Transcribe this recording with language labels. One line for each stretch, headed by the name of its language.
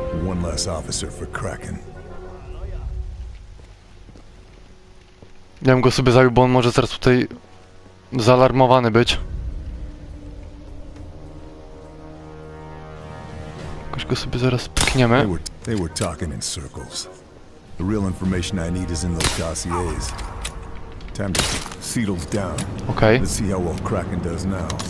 English: One less officer for Kraken.
Polish: Ja bym go sobie zabił, bo on może zaraz tutaj zaalarmowany być. Jakoś go sobie zaraz pchniemy.
English: They were talking in circles. The real information I need is in those dossiers. Time to settle down. Okay. Let's see how well Kraken does now.